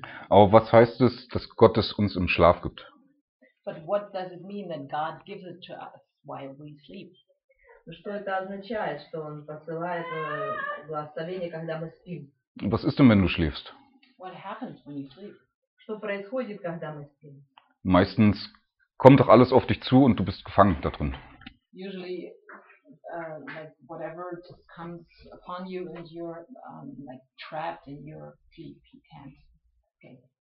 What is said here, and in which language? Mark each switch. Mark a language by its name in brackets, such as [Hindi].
[German] Aber was heißt es, dass Gott es uns im Schlaf gibt? [English] But what does it mean that God gives it to us while we sleep? [Russian] Что это означает, что он посылает благословение, когда мы спим? [German] Was ist denn, wenn du schläfst? [English] What happens when you sleep? [Russian] Что происходит, когда мы спим? [German] Meistens kommt doch alles auf dich zu und du bist gefangen da drin. [English] Usually like whatever just comes upon you and you're like trapped in your sleep, you can't escape.